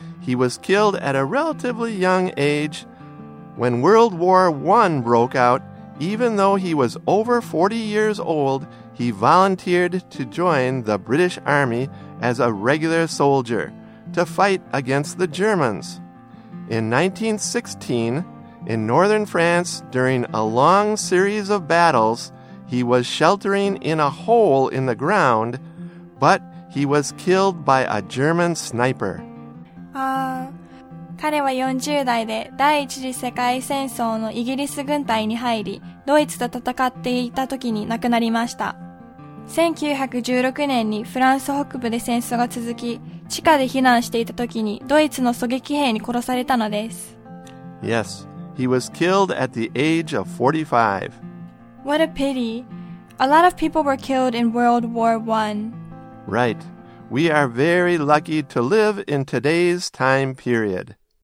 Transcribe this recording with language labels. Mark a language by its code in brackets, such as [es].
[en] He was killed at a relatively young age. When World War I broke out, even though he was over 40 years old, he volunteered to join the British Army as a regular soldier to fight against the Germans. In 1916, in northern France, during a long series of battles, he was sheltering in a hole in the ground, but he was killed by a German sniper. [ja] 彼は40代で第一次世界戦争のイギリス軍隊に入り、ドイツと戦っていた時に亡くなりました。 1916年にフランス北部で戦争が続き、地下で避難していた時にドイツの狙撃兵に殺されたのです。 [en] Yes, he was killed at the age of 45. What a pity. A lot of people were killed in World War I. Right. We are very lucky to live in today's time period.